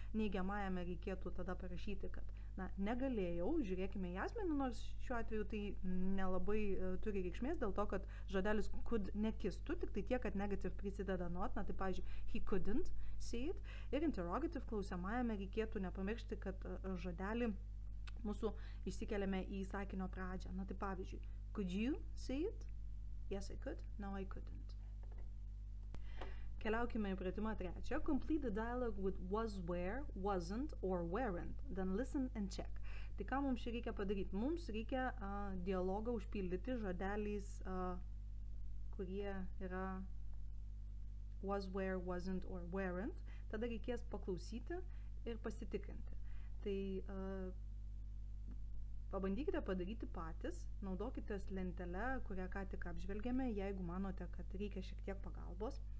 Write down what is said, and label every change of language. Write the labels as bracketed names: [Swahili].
[Lithuanian] Neigiamajame reikėtų tada parašyti, kad na, negalėjau, žiūrėkime į asmenį, nors šiuo atveju tai nelabai turi reikšmės, dėl to, kad žodelis could nekistų, tik tai tiek, kad negative prisideda not, na, tai pavyzdžiui, [English] he couldn't see it. [Lithuanian] Ir interrogative klausiamajame reikėtų nepamiršti, kad žodelį mūsų išsikeliame į sakinio pradžią. Na, tai pavyzdžiui, [English] could you see it? Yes, I could. No, I couldn't. [Lithuanian] Keliaukime į pratimą trečią. [English] Complete the dialogue with was, where, wasn't or weren't. Then listen and check. [Lithuanian] Tai ką mums šį reikia padaryti? Mums reikia dialogą užpildyti žodeliais, kurie yra [English] was, where, wasn't or weren't. [Lithuanian] Tada reikės paklausyti ir pasitikrinti. Tai pabandykite padaryti patys, naudokite lentelę, kurią ką tik apžvelgėme, jeigu manote, kad reikia šiek tiek pagalbos.